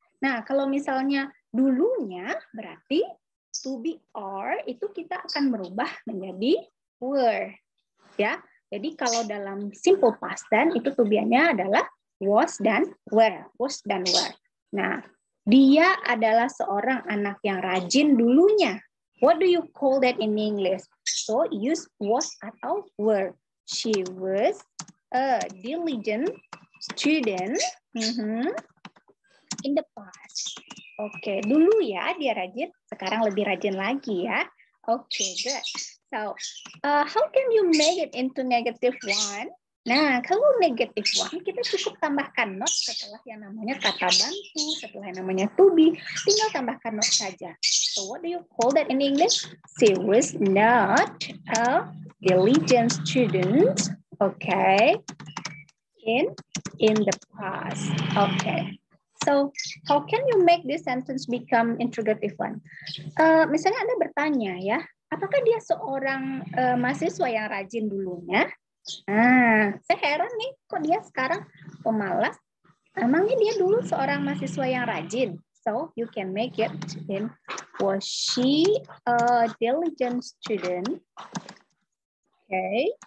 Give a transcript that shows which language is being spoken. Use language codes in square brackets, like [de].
[id] Nah, kalau misalnya dulunya, berarti to be or itu kita akan merubah menjadi were. Ya, jadi kalau dalam simple past tense, itu to be-nya adalah was dan were. Was dan were. Nah, dia adalah seorang anak yang rajin dulunya. [en] What do you call that in English? So, use was [id] atau [en] were. She was a diligent student in the past. [id] Okay, dulu ya dia rajin, sekarang lebih rajin lagi ya. [en] Okay, good. So, how can you make it into negative one? [id] Nah, kalau negative one, kita cukup tambahkan not setelah yang namanya kata bantu, setelah yang namanya to be, tinggal tambahkan not saja. [en] So, what do you call that in English? She was not a diligent student. Okay. In the past. Okay. So, how can you make this sentence become interrogative one? [id] Misalnya Anda bertanya ya, apakah dia seorang mahasiswa yang rajin dulunya? Saya heran nih, kok dia sekarang pemalas? Emangnya dia dulu seorang mahasiswa yang rajin? [en] So, you can make it in was she a diligent student? Okay.